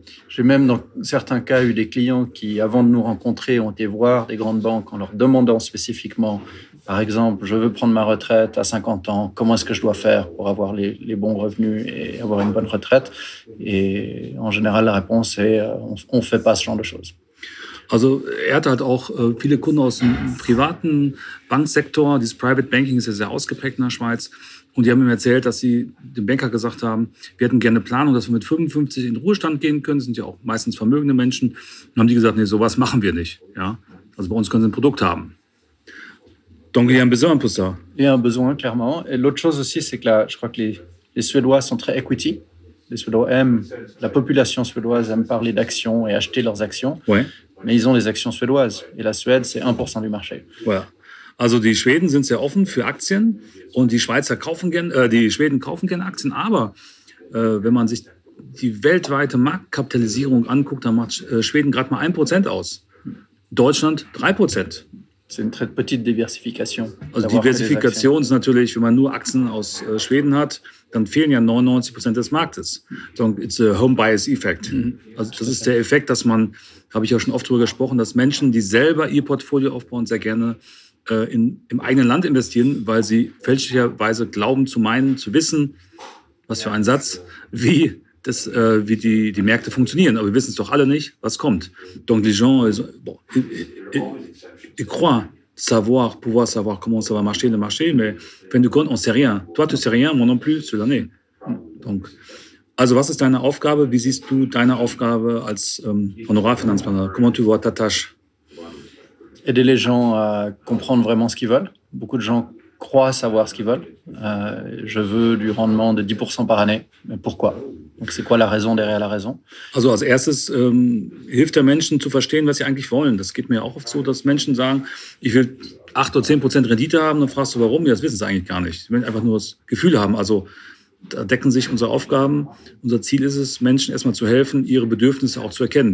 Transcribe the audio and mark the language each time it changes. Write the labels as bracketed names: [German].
[French] J'ai même dans certains cas eu des clients qui, avant de nous rencontrer, ont été voir des grandes banques en leur demandant spécifiquement, par exemple, je veux prendre ma retraite à 50 ans, comment est-ce que je dois faire pour avoir les bons revenus et avoir une bonne retraite? Et en général, la réponse est, on fait pas ce genre de choses. [German] Also, er hat halt auch viele Kunden aus dem privaten Banksektor. Dieses Private Banking ist ja sehr ausgeprägt in der Schweiz. Und die haben ihm erzählt, dass sie dem Banker gesagt haben, wir hätten gerne Planung, dass wir mit 55 in Ruhestand gehen können. Das sind ja auch meistens vermögende Menschen. Und haben die gesagt, nee, sowas machen wir nicht. Ja? Also bei uns können sie ein Produkt haben. [French] Donc, il y a un besoin pour ça. Il y a un besoin, clairement. Et l'autre chose aussi, c'est que là, je crois que les Suédois sont très equity. Les Suédois aiment, la population suédoise aime parler d'actions et acheter leurs actions. Ouais. Mais ils ont des actions suédoises. Et la Suède, c'est 1% du marché. Voilà. [German] Also die Schweden sind sehr offen für Aktien und die Schweizer kaufen gerne, die Schweden kaufen gerne Aktien, aber wenn man sich die weltweite Marktkapitalisierung anguckt, dann macht Schweden gerade mal 1% aus, Deutschland 3%. Das ist eine [French] très petite diversification. [German] Also Diversifikation ist natürlich, wenn man nur Aktien aus Schweden hat, dann fehlen ja 99% des Marktes. [English] So, it's a home bias effect. [German] Also das ist der Effekt, dass man, habe ich ja schon oft drüber gesprochen, dass Menschen, die selber ihr Portfolio aufbauen, sehr gerne im eigenen Land investieren, weil sie fälschlicherweise glauben zu meinen, zu wissen, was für ein Satz, wie die Märkte funktionieren. Aber wir wissen es doch alle nicht, was kommt. [French] Donc les gens, ils croient savoir, pouvoir savoir comment ça va marcher, le marché, mais fin du compte, on sait rien. Toi, tu sais rien, moi non plus, sur l'année. [German] Donc, also was ist deine Aufgabe? Wie siehst du deine Aufgabe als Honorarfinanzplaner? [French] Comment tu vois ta tâche? Aider les gens à comprendre vraiment ce qu'ils veulent. Beaucoup de gens croient savoir ce qu'ils veulent. Je veux du rendement de 10% par année. Mais pourquoi? Donc, c'est quoi la raison derrière la raison? [German] Also, als erstes hilft der Menschen zu verstehen, was sie eigentlich wollen. Das geht mir auch oft so, dass Menschen sagen, ich will 8 oder 10% Rendite haben. Dann fragst du, warum? Ja, das wissen sie eigentlich gar nicht. Sie wollen einfach nur das Gefühl haben. Also, da decken sich unsere Aufgaben. Unser Ziel ist es, Menschen erstmal zu helfen, ihre Bedürfnisse auch zu erkennen.